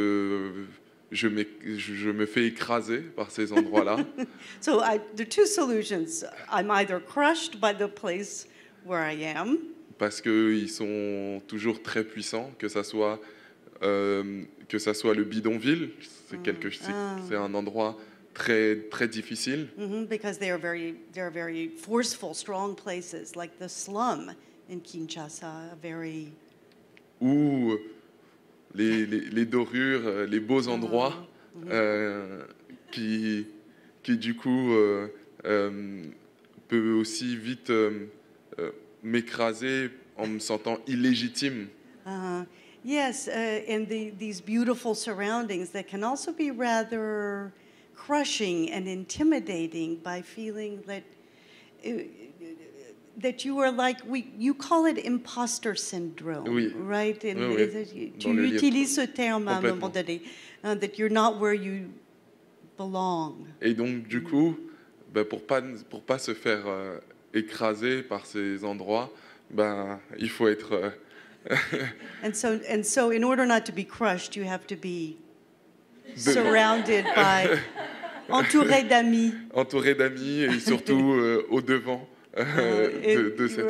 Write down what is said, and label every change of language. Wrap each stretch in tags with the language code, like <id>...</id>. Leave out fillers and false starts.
<fr>Soit je me fais écraser par ces endroits-là.</fr> <en>So there are two solutions. I'm either crushed by the place where I am.</en> <fr>Parce que ils sont toujours très puissants, que ça soit le bidonville, c'est un endroit très très difficile.</fr> <en>Mm-hmm, because they are very forceful, strong places like the slum in Kinshasa, very.</en> <fr>Ou les dorures, les beaux endroits, mm-hmm. qui du coup peut aussi vite m'écraser en me sentant illégitime.</fr> <en>Yes, and these beautiful surroundings that can also be rather crushing and intimidating by feeling that you are like, you call it imposter syndrome,</en> <fr>oui.</fr> <en>Right?</en> <fr>And oui, oui. Tu utilises ce terme à un moment donné,</fr> <en>that you're not where you belong.</en> <fr>Et donc, du coup, ben, pour pas se faire écraser par ces endroits, ben, il faut être.</fr> <en>and so in order not to be crushed, you have to be surrounded by,</en> <fr>entouré d'amis. Entouré d'amis et surtout au devant de cet</fr>